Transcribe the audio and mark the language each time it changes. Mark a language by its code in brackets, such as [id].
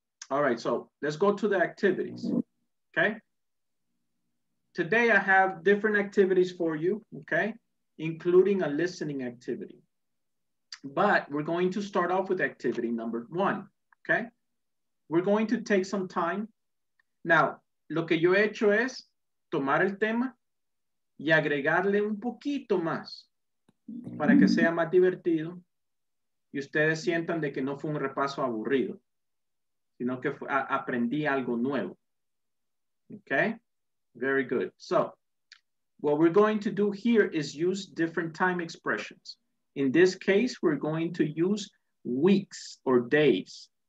[en] All right, so let's go to the activities. Okay. Today, I have different activities for you, okay, including a listening activity. But we're going to start off with activity number one, okay? We're going to take some time. [es] Now, lo que yo he hecho es tomar el tema y agregarle un poquito más para que sea más divertido y ustedes sientan de que no fue un repaso aburrido, sino que aprendí algo nuevo. [en] Okay? Very good. So, what we're going to do here is use different time expressions. In this case, we're going to use weeks or days.